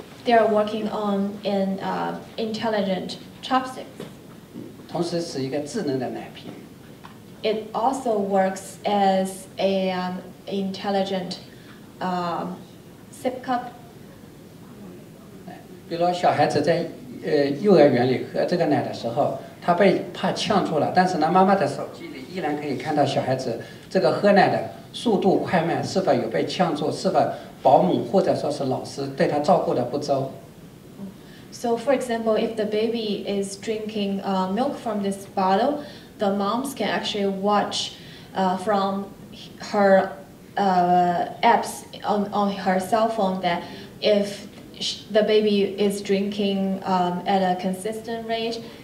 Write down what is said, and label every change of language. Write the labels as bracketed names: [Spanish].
[English] they are working on an intelligent chopstick. [Chinese] 同时是一个智能的奶瓶。 [English] It also works as an intelligent sip cup. [Chinese] 比如小孩子在幼儿园里喝这个奶的时候，他被怕呛住了，但是呢，妈妈的手机里依然可以看到小孩子这个喝奶的速度快慢，是否有被呛住，是否保姆或者说是老师对他照顾的不周。 [English] So for example, if the baby is drinking milk from this bottle, the moms can actually watch from her apps on her cell phone that if the baby is drinking at a consistent rate.